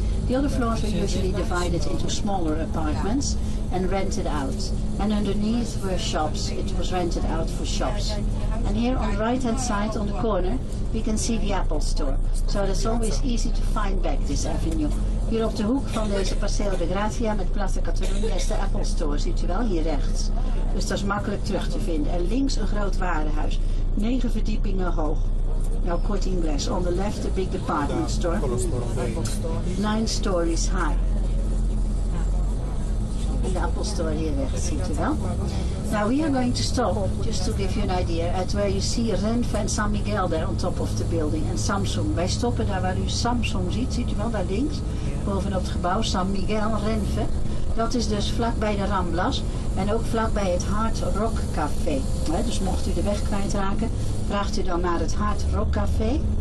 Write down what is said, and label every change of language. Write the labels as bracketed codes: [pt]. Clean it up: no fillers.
[en] The other floors were usually divided into smaller apartments and rented out. And underneath were shops. It was rented out for shops. And here on the right-hand side, on the corner, we can see the Apple Store. So it's always easy to find back this avenue. [nl] Hier op de hoek van deze Paseo de Gracia met Plaza Catalunya is de Apple Store, ziet u wel, hier rechts. Dus dat is makkelijk terug te vinden. En links een groot warenhuis, 9 verdiepingen hoog. Nou, kort in bles. [en] On the left, a big department store. 9 stories high. [nl] In de Apple Store hier rechts, ziet u wel. [en] Now we are going to stop, just to give you an idea, at where you see Renf and San Miguel there on top of the building. And Samsung. [nl] Wij stoppen daar waar u Samsung ziet, ziet u wel, daar links. Bovenop het gebouw San Miguel Renfe. Dat is dus vlakbij de Ramblas en ook vlakbij het Hard Rock Café. Dus mocht u de weg kwijtraken, vraagt u dan naar het Hard Rock Café.